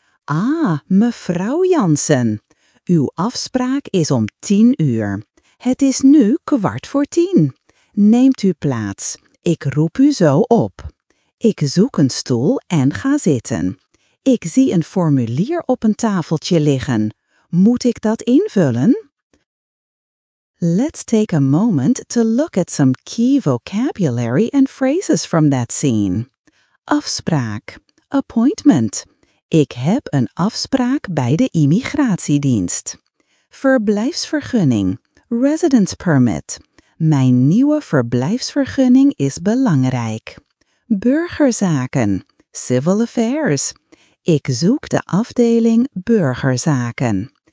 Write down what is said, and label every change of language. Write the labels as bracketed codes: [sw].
[nl] Ah, mevrouw Jansen. Uw afspraak is om 10:00. Het is nu 9:45. Neemt u plaats. Ik roep u zo op. Ik zoek een stoel en ga zitten. Ik zie een formulier op een tafeltje liggen. Moet ik dat invullen? [en] Let's take a moment to look at some key vocabulary and phrases from that scene. [nl] Afspraak. Appointment. Ik heb een afspraak bij de immigratiedienst. Verblijfsvergunning. Residence permit. Mijn nieuwe verblijfsvergunning is belangrijk. Burgerzaken. Civil affairs. Ik zoek de afdeling burgerzaken.